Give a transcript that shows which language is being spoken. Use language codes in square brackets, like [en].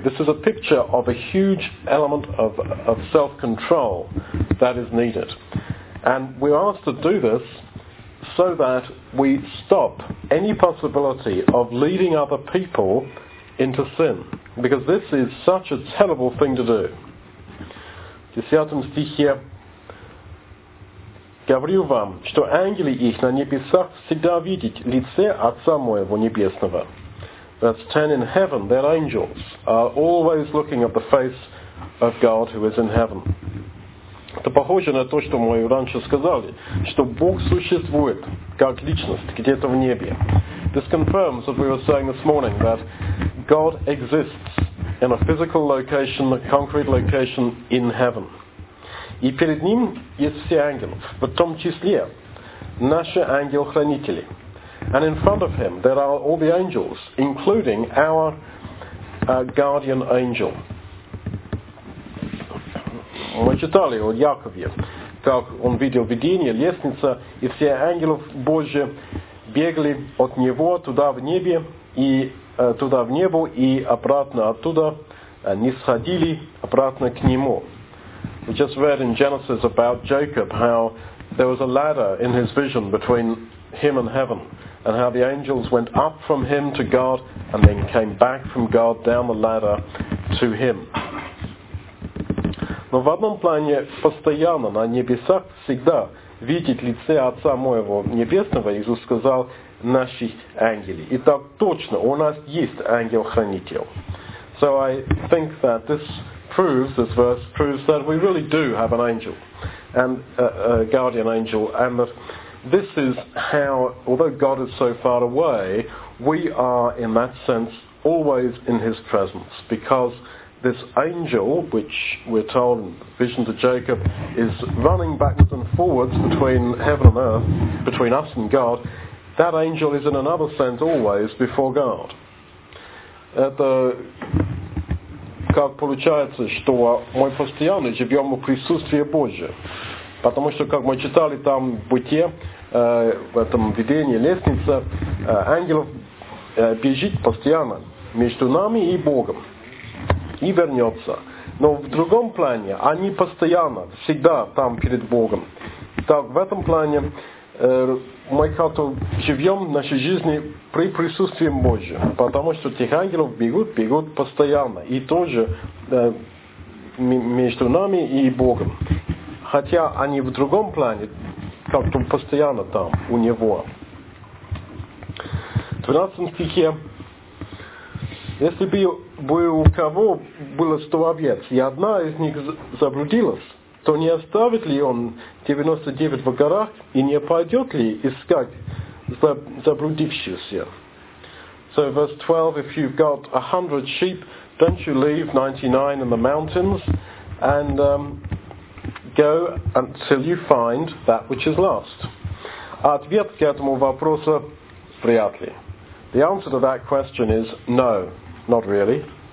[en] This is a picture of a huge element of self-control that is needed. And we're asked to do this so that we stop any possibility of leading other people into sin. Because this is such a terrible thing to do. [ru] В 10 стихе говорю вам, что ангелы их на небесах всегда видят лице Отца Моего Небесного. [en] That's 10 in heaven, their angels are always looking at the face of God who is in heaven. [ru] Это похоже на то, что мы раньше сказали, что Бог существует как личность где-то в небе. [en] This confirms what we were saying this morning, that God exists in a physical location, a concrete location in heaven. [ru] И перед ним есть все ангелы, в том числе наши ангел-хранители. [en] And in front of him there are all the angels, including our guardian angel. [ru] Мы читали о Якове, как он видел видение, лестница, и все ангелы Божьи бегали от него туда в небе и туда в небо и обратно оттуда не сходили обратно к нему. [en] We just read in Genesis about Jacob, how there was a ladder in his vision between him and heaven, and how the angels went up from him to God and then came back from God down the ladder to him. [ru] Но в одном плане постоянно на небесах всегда видеть лице Отца Моего Небесного, Иисус сказал, наши ангелы. И так точно, у нас есть ангел-хранитель. [en] So I think that this verse proves that we really do have an angel, and a guardian angel, and that this is how, although God is so far away, we are in that sense always in his presence, because this angel, which we're told in vision to Jacob, is running backwards and forwards between heaven and earth, between us and God, that angel is in another sense always before God. [ru] Как получается, что мы постоянно живем в присутствии Божьем. Потому что, как мы читали там в Бытие, в этом видении лестница, ангелов бежит постоянно между нами и Богом. И вернется. Но в другом плане, они постоянно, всегда там перед Богом. Так, в этом плане мы как-то живем в нашей жизни при присутствии Божьем, потому что тех ангелов бегут постоянно, и тоже между нами и Богом. Хотя они в другом плане как-то постоянно там, у Него. 12 стихе. Если бы у кого было 100 овец, и одна из них заблудилась, то не оставит ли он 99 в горах и не пойдет ли искать заблудившуюся? [en] So verse 12, if you've got 100 sheep, don't you leave 99 in the mountains and go until you find that which is lost? [ru] Ответ к этому вопросу – вряд ли. [en] The answer to that question is no, not really.